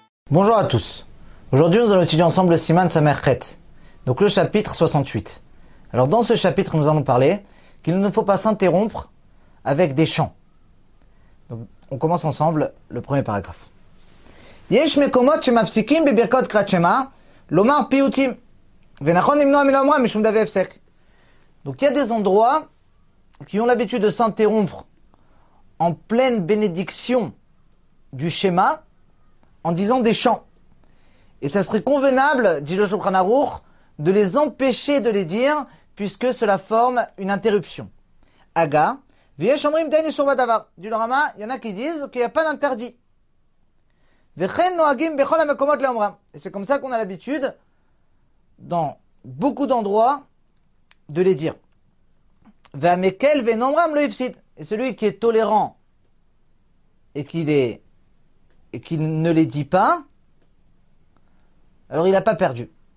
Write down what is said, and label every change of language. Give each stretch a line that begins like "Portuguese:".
French: Bonjour à tous. Aujourd'hui, nous allons étudier ensemble le Siman Samerchet, donc le chapitre 68. Alors, dans ce chapitre, nous allons parler qu'il ne faut pas s'interrompre avec des chants. Donc, on commence ensemble le premier paragraphe.
Hebrew: יש מקומות שמפסיקים בברכות קריאת שמע לומר פיוטים ונכון למנוע מלומר משום דבר הפסק.
French: Donc il y a des endroits qui ont l'habitude de s'interrompre en pleine bénédiction du schéma en disant des chants. Et ça serait convenable, dit le Shulchan Aruch, de les empêcher de les dire puisque cela forme une interruption.
Hebrew: Aga, ויש אומרים דיין איסור בדבר.
French: Dit le Rama, il y en a qui disent qu'il n'y a pas d'interdit. Et c'est comme ça qu'on a l'habitude, dans beaucoup d'endroits, de les dire. Et celui qui est tolérant et qui ne les dit pas, alors il n'a pas perdu.